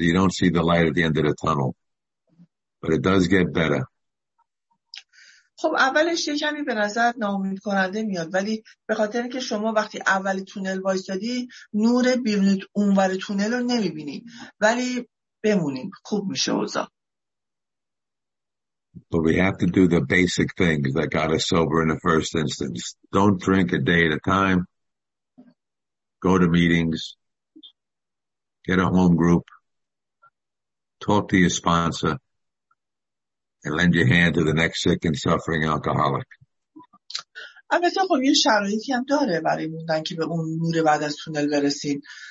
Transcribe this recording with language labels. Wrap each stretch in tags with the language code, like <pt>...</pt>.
<en>You don't see the light at the end of the tunnel, but it does get better.</en> <fa>خب اولش یه کمی به نظر ناامید کننده میاد، ولی به خاطر اینکه شما وقتی اول تونل وایسادی نور بیرون اونور تونل رو نمیبینی، ولی بمونیم خوب میشه اوضاع.</fa> <en>But we have to do the basic things that got us sober in the first instance. Don't drink a day at a time. Go to meetings, get a home group, talk to your sponsor, and lend your hand to the next sick and suffering alcoholic.</en> <fa>البته خب یه شرایطی هم داره برای موندن که به اون نور بعد از تونل برسین.</fa>